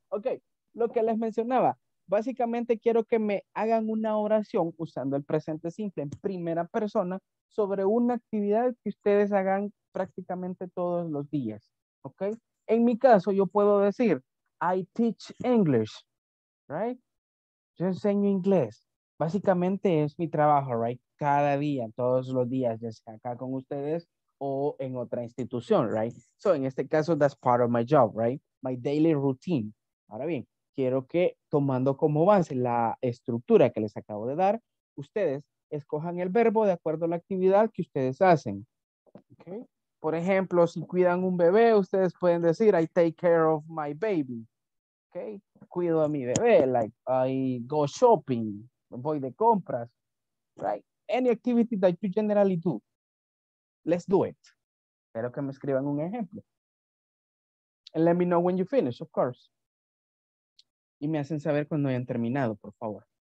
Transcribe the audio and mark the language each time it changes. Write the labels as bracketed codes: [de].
[es] Okay, lo que les mencionaba, básicamente quiero que me hagan una oración usando el presente simple en primera persona sobre una actividad que ustedes hagan prácticamente todos los días. Okay, en mi caso yo puedo decir [en] I teach English, [es] right? Yo enseño inglés. Básicamente es mi trabajo, right? Cada día, todos los días, ya sea acá con ustedes o en otra institución, right? [en] So, [es] en este caso, [en] that's part of my job, right? My daily routine. [es] Ahora bien, quiero que, tomando como base la estructura que les acabo de dar, ustedes escojan el verbo de acuerdo a la actividad que ustedes hacen. Okay? Por ejemplo, si cuidan un bebé, ustedes pueden decir, [en] I take care of my baby. Okay? [es] Cuido a mi bebé, [en] like, I go shopping, [es] voy de compras, [en] right? Any activity that you generally do. Let's do it. [es] Quiero que me escriban un ejemplo. [en] And let me know when you finish, of course. [es] Y me hacen saber cuando hayan terminado, por favor.